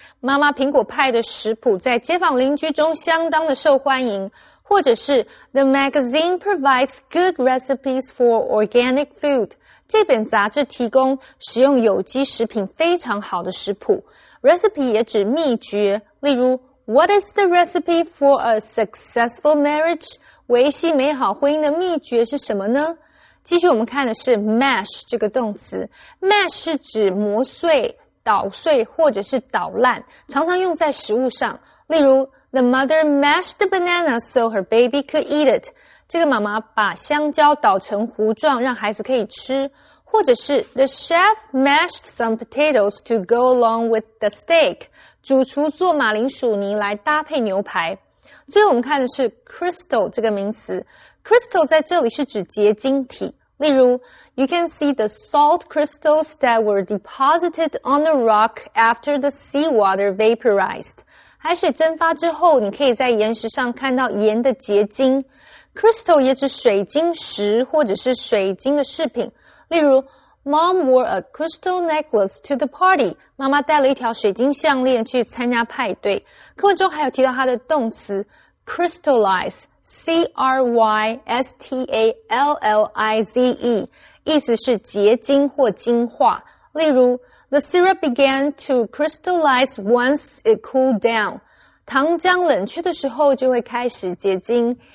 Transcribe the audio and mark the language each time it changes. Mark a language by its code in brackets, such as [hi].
[zh] 妈妈苹果派的食谱在街坊邻居中相当的受欢迎。或者是 [en] ,The magazine provides good recipes for organic food. [zh] 这本杂志提供使用有机食品非常好的食谱。 recipe 也指秘诀。例如 [en] ,What is the recipe for a successful marriage? [zh] 维系美好婚姻的秘诀是什么呢？继续我们看的是 mash 这个动词。 mash 是指磨碎、捣碎或者是捣烂，常常用在食物上。例如 [en] ,The mother mashed the banana so her baby could eat it. [zh] 这个妈妈把香蕉捣成糊状让孩子可以吃。或者是 [en] ,The chef mashed some potatoes to go along with the steak. [zh] 主厨做马铃薯泥来搭配牛排。最后我们看的是 crystal 这个名词。 [en] Crystal [zh] 在这里是指结晶体，例如 [en] You can see the salt crystals that were deposited on the rock after the seawater vaporized. [zh] 海水蒸发之后，你可以在岩石上看到盐的结晶。 Crystal 也指水晶石或者是水晶的饰品，例如 [en] Mom wore a crystal necklace to the party. [zh] 妈妈带了一条水晶项链去参加派对。课文中还有提到它的动词 crystallize。 crystallize, 意思是结晶或精化。例如 [en] ,the syrup began to crystallize once it cooled down. [zh] 糖浆冷却的时候就会开始结晶。